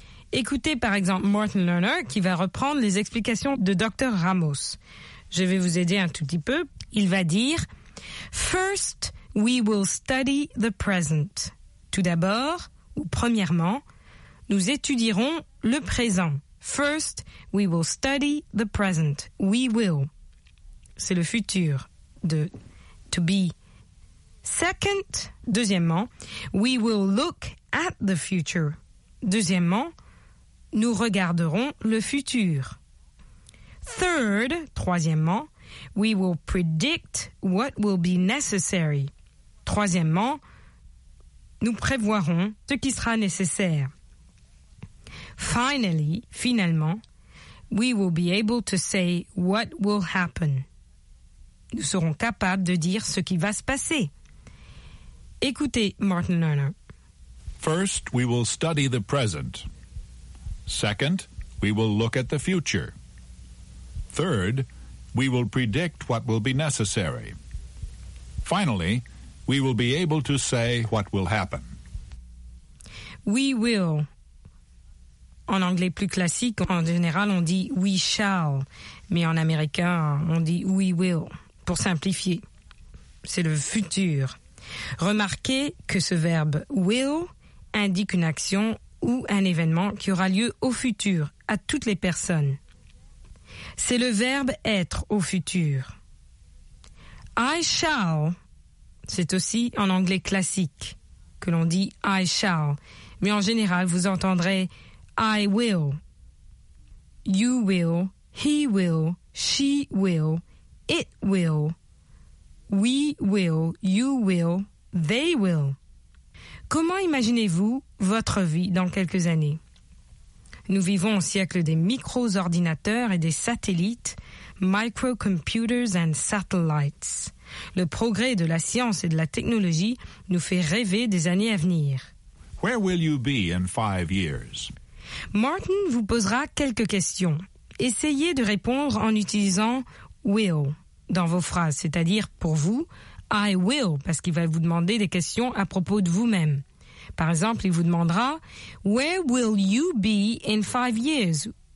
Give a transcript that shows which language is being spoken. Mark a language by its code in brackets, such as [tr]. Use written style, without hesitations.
[fr] Écoutez par exemple Martin Lerner qui va reprendre les explications de Dr. Ramos. Je vais vous aider un tout petit peu. Il va dire « [en] First, we will study the present. [fr] » Tout d'abord, ou premièrement, nous étudierons le présent. [en] First, we will study the present. We will. [fr] C'est le futur de to be. [en] Second, deuxièmement, we will look at the future. [fr] Deuxièmement, nous regarderons le futur. [en] Third, troisièmement, we will predict what will be necessary. [fr] Troisièmement, nous prévoirons ce qui sera nécessaire. [en] Finally, finalement, we will be able to say what will happen. [fr] Nous serons capables de dire ce qui va se passer. Écoutez Martin Lerner. [en] First, we will study the present. Second, we will look at the future. Third, we will predict what will be necessary. Finally, we will be able to say what will happen. We will. [fr] En anglais plus classique, en général, on dit [en] we shall. [fr] Mais en américain, on dit [en] we will. [fr] Pour simplifier, c'est le futur. Remarquez que ce verbe will indique une action ou un événement qui aura lieu au futur, à toutes les personnes. C'est le verbe être au futur. [en] I shall. [fr] C'est aussi en anglais classique que l'on dit [en] I shall. [fr] Mais en général, vous entendrez « [en] I will »,« you will »,« he will »,« she will »,« it will »,« we will »,« you will »,« they will ». [fr] Comment imaginez-vous votre vie dans quelques années? Nous vivons au siècle des micro-ordinateurs et des satellites, « [en] microcomputers and satellites ». [fr] Le progrès de la science et de la technologie nous fait rêver des années à venir. [en] Where will you be in 5 years? [fr] Martin vous posera quelques questions. Essayez de répondre en utilisant will dans vos phrases, c'est-à-dire pour vous, [en] I will, [fr] parce qu'il va vous demander des questions à propos de vous-même. Par exemple, il vous demandera, [en] Where will you be in 5 years?